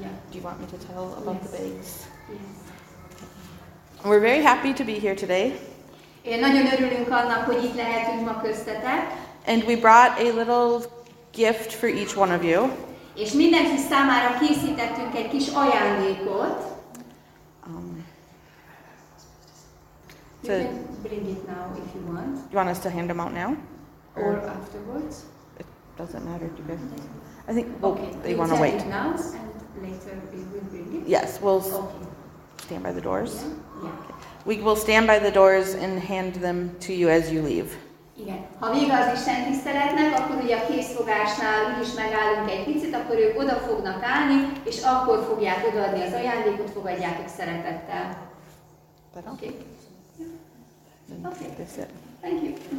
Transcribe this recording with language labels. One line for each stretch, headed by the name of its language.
English: Do you want me to tell about the bags? Yes. We're very happy to be here today.
Hungarian: Én nagyon örülünk annak, hogy itt lehetünk ma köztetek.
English: And we brought a little gift for each one of you.
Hungarian: És mindenki számára készítettünk egy kis ajándékot.
English: You can bring it now if you want. You want us to hand them out now? Or afterwards? It doesn't matter. Do you guys? I think they want to wait. Later, we will bring it. Yes, we'll stand by the doors. Yeah. Okay. We will stand by the doors and hand them to you as you leave.
Hungarian: Igen. Ha vége az Isten tiszteletnek, akkor ugye a készfogásnál úgyis megállunk egy picit, akkor ők oda fognak állni, és akkor fogják odaadni az ajándékot, fogadjátok szeretettel. Oké. Okay. Yeah. Okay.